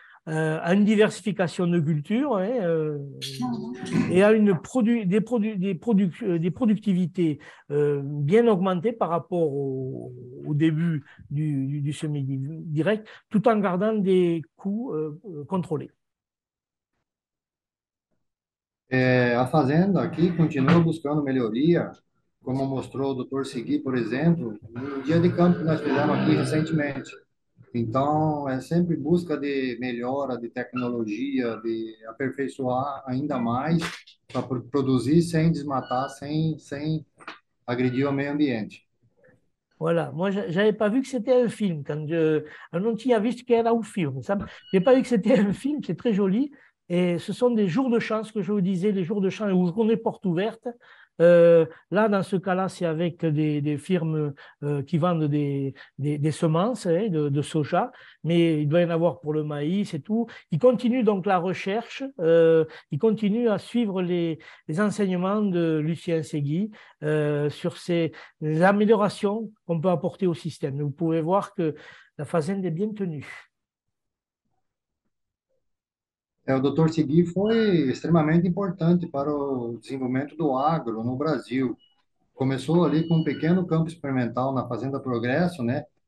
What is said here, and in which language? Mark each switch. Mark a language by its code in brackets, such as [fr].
[fr] À une diversification de cultures et à une produ des, produ des, produ des productivités bien augmentées par rapport au début du semi-direct, tout en gardant des coûts contrôlés. [pt] A fazenda aqui continua buscando melhoria, como mostrou o Dr. Segui, por exemplo, no dia de campo que nós fizemos aqui recentemente. Então, é sempre busca de melhora, de tecnologia, de aperfeiçoar ainda mais para produzir sem desmatar, sem agredir o meio ambiente. [fr] Voilà, moi j'avais pas vu que c'était un film quand on a vu qu'il y avait un film. J'ai pas vu que c'était un film, c'est très joli. Et ce sont des jours de chance que je vous disais, les jours de chance où on est porte ouverte. Là, dans ce cas-là, c'est avec des firmes qui vendent des semences hein, de soja, mais il doit y en avoir pour le maïs et tout. Ils continuent donc la recherche, ils continuent à suivre les enseignements de Lucien Segui sur ces améliorations qu'on peut apporter au système. Vous pouvez voir que la fazenda est bien tenue. [pt] O Dr. Segui foi extremamente importante para o desenvolvimento do agro no Brasil. Começou ali com um pequeno campo experimental na Fazenda Progresso, né?